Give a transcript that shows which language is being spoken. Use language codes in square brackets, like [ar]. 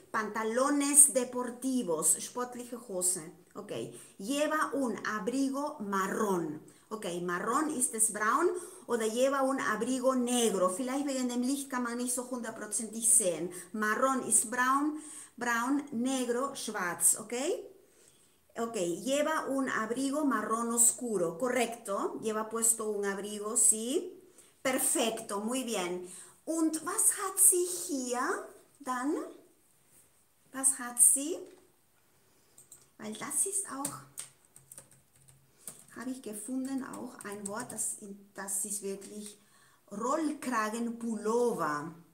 [es] Pantalones Deportivos, [de] sportliche Hose, [es] okay? Lleva un abrigo marrón. Okay, marrón [de] ist es braun oder [es] lleva un abrigo negro. [de] Vielleicht wegen dem Licht kann man nicht so hundertprozentig sehen. Marrón ist braun, braun, negro, schwarz, okay? [es] Okay, lleva un abrigo marrón oscuro. Correcto, lleva puesto un abrigo, sí. Perfecto, muy bien. [de] Und was hat sie hier dann? Was hat sie? Weil das ist auch. Habe ich gefunden auch ein Wort, das ist wirklich Rollkragenpullover.